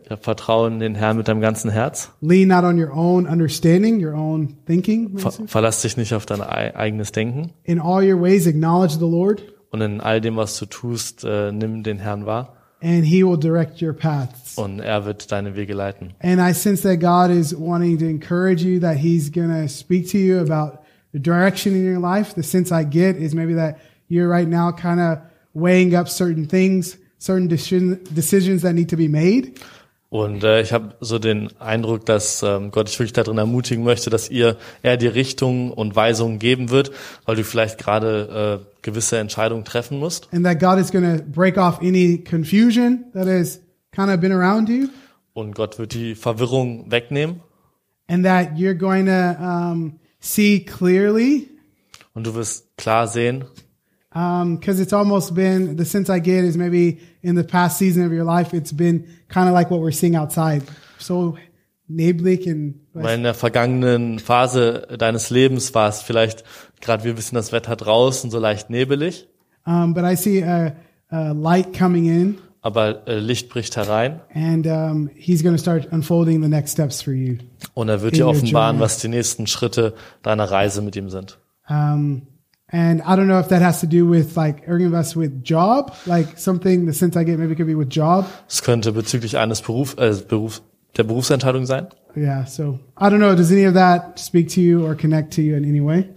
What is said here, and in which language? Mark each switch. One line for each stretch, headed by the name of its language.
German: Ja, vertrauen den Herrn mit deinem ganzen Herz.
English: Lean not on your own understanding, your own thinking.
German: Verlass dich nicht auf dein eigenes Denken.
English: In all your ways acknowledge the Lord.
German: Und in all dem, was du tust, nimm den Herrn wahr.
English: And he will direct your paths.
German: Und er wird deine Wege leiten.
English: And I sense that God is wanting to encourage you, that he's going to speak to you about the direction in your life. The sense I get is maybe that you're right now kind of weighing up certain things, certain decisions that need to be made.
German: Und ich habe so den Eindruck, dass Gott dich wirklich darin ermutigen möchte, dass er dir Richtung und Weisungen geben wird, weil du vielleicht gerade gewisse Entscheidungen treffen musst.
English: And that God is going to break off any confusion that has kind of been around you.
German: Und Gott wird die Verwirrung wegnehmen.
English: And that you're going to see clearly.
German: Und du wirst klar sehen.
English: Because it's almost been, the sense I get is maybe in the past season of your life, it's been kind of like what we're seeing outside. So neblig and...
German: Weil in der vergangenen Phase deines Lebens war es vielleicht, gerade wir wissen das Wetter draußen, so leicht nebelig.
English: But I see a light coming in.
German: Aber Licht bricht herein.
English: And he's going to start unfolding the next steps for you.
German: Und wird dir offenbaren, was die nächsten Schritte deiner Reise mit ihm sind.
English: And I don't know if that has to do with like irgendwas with job, like something, the sense I get maybe could be with job.
German: Es könnte bezüglich eines der Berufsentscheidung sein.
English: Yeah, so I don't know, does any of that speak to you or connect to you in any way?